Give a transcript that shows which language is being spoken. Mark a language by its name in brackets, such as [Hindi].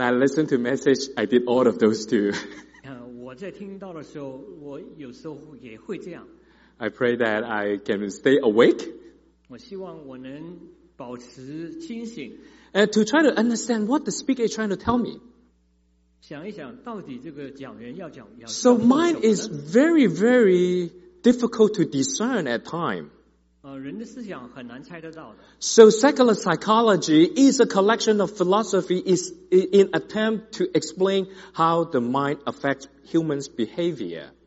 [English] I listened to message, I did all of those two. [Chinese] 我在听到的时候，我有时候也会这样。 [English] I pray that I can stay awake. [Chinese] 我希望我能保持清醒。 [English] And to try to understand what the speaker is trying to tell me. [Chinese] 想一想，到底这个讲员要讲什么？ [English] So mine is very, very difficult to discern at time. [Chinese] 人的思想很难猜得到的。 [English] So secular psychology is a collection of philosophy is in attempt to explain how the mind affects humans' behavior.